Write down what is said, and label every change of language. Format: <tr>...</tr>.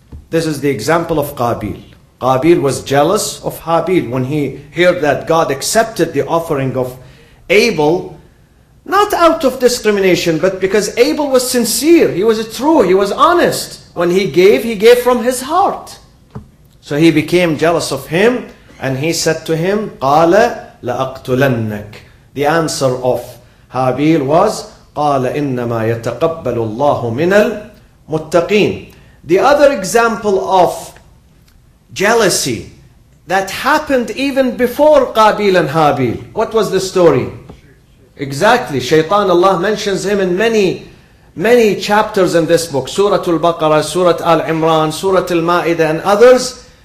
<en>This is the example of Qabil. Qabil was jealous of Habil when he heard that God accepted the offering of Abel, not out of discrimination, but because Abel was sincere. He was true. He was honest. When he gave from his heart. So he became jealous of him, and he said to him,</en> <ar>قَالَ لَأَقْتُلَنَّكَ.</ar> <en>The answer of Habil was,</en> <ar>قَالَ إِنَّمَا يَتَقَبَّلُ اللَّهُ مِنَ الْمُتَّقِينَ.</ar> <en>The other example of jealousy that happened even before Qabil and Habil. What was the story? Exactly. Shaytan, Allah mentions him in many, many chapters in this book. Surah Al-Baqarah, Surah Al-Imran, Surah Al-Ma'idah and others.</en>